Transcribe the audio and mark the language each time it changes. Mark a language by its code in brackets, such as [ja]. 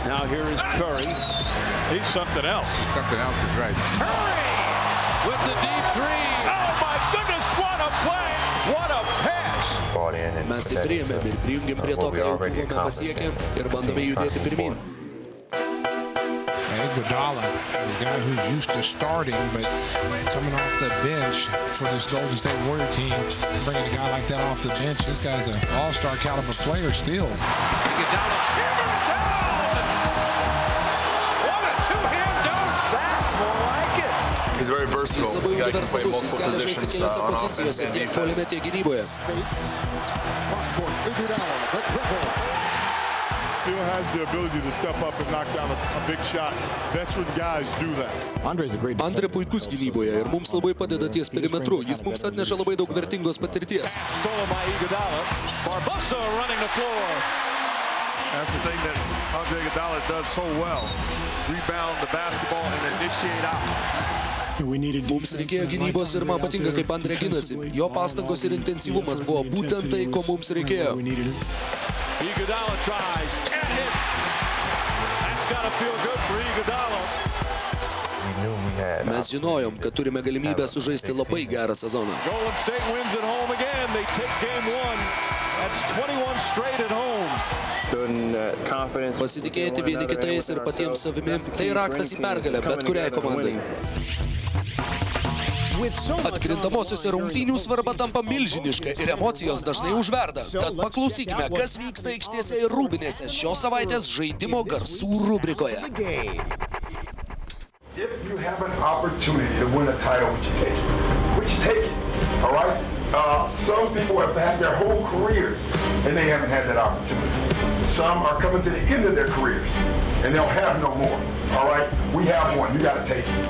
[en] Now here is Curry. He's something else. Something else is right. Curry! With the deep three. Oh my goodness, what a play! What a pass! [lt] Mes tai priėmėm ir prijungėm prie to, ką jau buvome pasiekę ir bandome judėti pirmin. [en] Iguodala, the guy who's used to starting, but coming off the bench for this Golden State Warrior team, bringing a guy like that off the bench, this guy's an all-star caliber player still. Iguodala, hammer it down! What a two-hand dunk! That's more like it! He's very versatile. He's the guy who can play multiple positions on offense and defense. Postcourt, Iguodala, the triple. Still has the ability to step up and knock down a big shot. Veteran guys do that. [lt] Andre puikus gynyboje ir mums labai padeda ties perimetru. Jis mums atneša labai daug vertingos patirties. [en] Stolen by Iguodala. Barbosa running the floor. That's the thing that Andre Iguodala does so well. Rebound the basketball and initiate out. [lt] Mums reikėjo gynybos ir man patinka, kaip Andre ginasi. Jo pastangos ir intensyvumas buvo būtent tai, ko mums reikėjo. [en] Iguodala tries and hits. That's gotta feel good for Iguodala. [lt] Mes žinojom, kad turime galimybę sužaisti labai gerą sezoną. [en] Golden State wins at home again. They take game one. That's 21 straight at home. [lt] Pasitikėti vieni kitais ir patiems savimi, tai raktas į pergalę, bet kuriai komandai. Atkrintamosiose rungtynių svarba tampa milžiniška ir emocijos dažnai užverda. Tad paklausykime, kas vyksta aikštėse ir rūbinėse šios savaitės žaidimo garsų rubrikoje. [en] If you have an opportunity to win a title, would you take it? Would you take it? All right? Some people have had their whole careers and they haven't had that opportunity. Some are coming to the end of their careers and they'll have no more. All right? We have one. You got to take it.